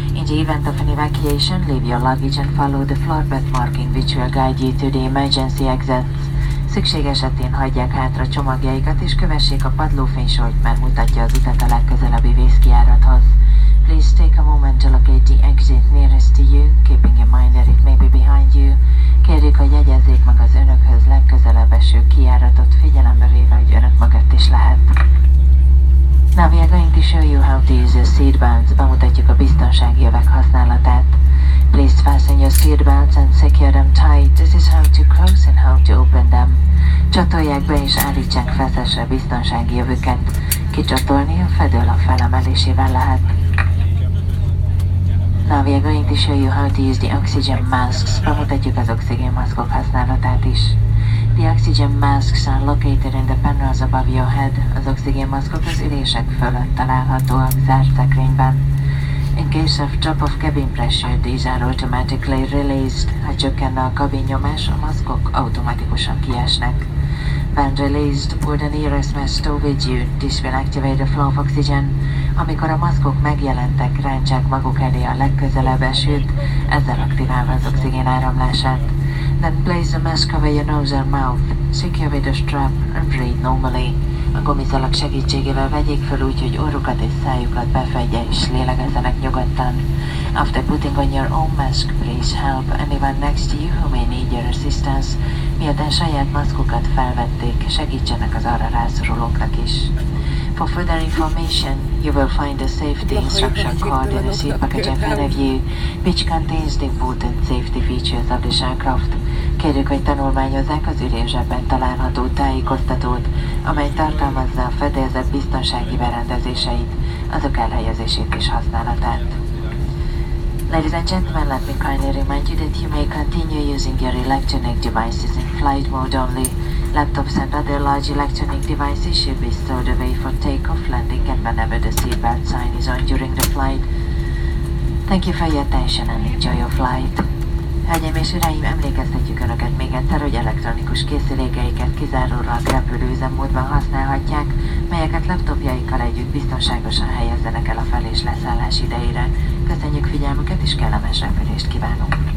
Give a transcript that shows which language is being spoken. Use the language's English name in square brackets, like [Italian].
[English] In the event of an evacuation, leave your luggage and follow the floor path marking which will guide you to the emergency exits. [Hungarian] Szükség esetén hagyják hátra csomagjaikat és kövessék a padlófénysort, mert mutatja az utat a legközelebbi vészkijárathoz. [English] Please take a moment to locate the exit nearest to you, keeping in mind that it may be behind you. [Hungarian] Kérjük, hogy jegyezzék meg az önökhöz legközelebb eső kijáratot, figyelembe véve, hogy önök mögött is lehet. [English] Now we are going to show you how to use your seatbelts. [Hungarian] Bemutatjuk a biztonsági övek használatát. [English] Please fasten your seatbelts and secure them tight. This is how to close and how to open them. [Hungarian] Csatolják be és állítsák feszesre biztonsági övüket. Kicsatolni a fedőlap felemelésével lehet. [English] Now we are going to show you how to use the oxygen masks. [Hungarian] Bemutatjuk az oxigén maszkok használatát is. [English] The oxygen masks are located in the panels above your head. [Hungarian] Az oxigén maszkok az ülések fölött találhatóak zárt szekrényben. [English] In case of drop of cabin pressure, these are automatically released. [Hungarian] Ha csökkenne a kabin nyomás, a maszkok automatikusan kiesnek. [English] When released, pull the nearest mask to with you. This will activate the flow of oxygen. [Hungarian] Amikor a maszkok megjelentek, rántsák maguk elé a legközelebb esőt, ezzel aktiválva az oxigén áramlását. [English] Then place the mask over your nose and mouth, secure with a strap and breathe normally. [Hungarian] A gomizalak segítségével vegyék fel úgy, hogy orrukat és szájukat befedje és lélegezzenek nyugodtan. [English] After putting on your own mask, please help anyone next to you who may need your assistance. [Hungarian] Miután saját maszkukat felvették, segítsenek az arra rászorulóknak is. [English] For further information, you will find a safety instruction card in the seat package in front of you, which contains the important safety features of the aircraft. [Hungarian] Kérjük, hogy tanulmányozzák az ülésben található tájékoztatót, amely tartalmazza a fedélzet biztonsági berendezéseit, azok elhelyezését és használatát. [English] Ladies and gentlemen, let me kindly remind you that you may continue using your electronic devices in flight mode only. Laptops and other large electronic devices should be stored away for takeoff, landing, and whenever the seatbelt sign is on during the flight. Thank you for your attention and enjoy your flight. [Hungarian] Hölgyeim és uraim, emlékeztetjük Önöket még egyszer, hogy elektronikus készülékeiket kizárólag repülőüzemmódban használhatják, melyeket laptopjaikkal együtt biztonságosan helyezzenek el a fel- és leszállás idejére. Köszönjük figyelmüket és kellemes repülést kívánunk!